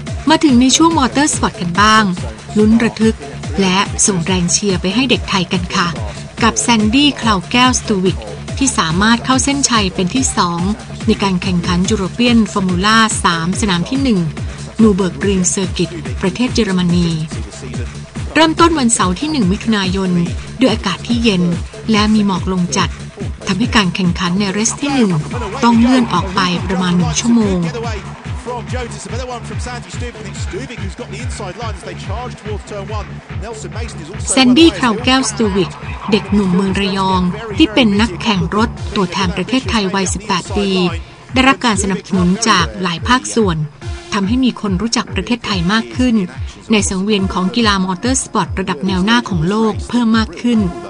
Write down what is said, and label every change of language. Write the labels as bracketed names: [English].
[Thai] มาถึงในช่วงมอเตอร์สปอร์ตกันบ้างลุ้นระทึกและส่งแรงเชียร์ไปให้เด็กไทยกันค่ะกับแซนดี้คลาวแก้วสตูวิกที่สามารถเข้าเส้นชัยเป็นที่2ในการแข่งขันยูโรเปียนฟอร์มูล่า3สนามที่1นูเบิร์กริงเซอร์กิตประเทศเยอรมนี เริ่มต้นวันเสาร์ที่1มิถุนายนด้วยอากาศที่เย็นและมีหมอกลงจัดทำให้การแข่งขันในเรสที่1ต้องเลื่อนออกไปประมาณ1ชั่วโมง [English] From Jotis, a better one from Sandy Stubing. It's Stubing who's got the inside line as they charge towards turn one. Nelson Mason is also Sandy Kraugel Stubing, [Thai] เด็กหนุ่มเมืองระยองที่เป็นนักแข่งรถตัวแทนประเทศไทยวัย18ปีได้รับการสนับสนุนจากหลายภาคส่วนทำให้มีคนรู้จักประเทศไทยมากขึ้นในสังเวียนของกีฬามอเตอร์สปอร์ตระดับแนวหน้าของโลกเพิ่มมากขึ้น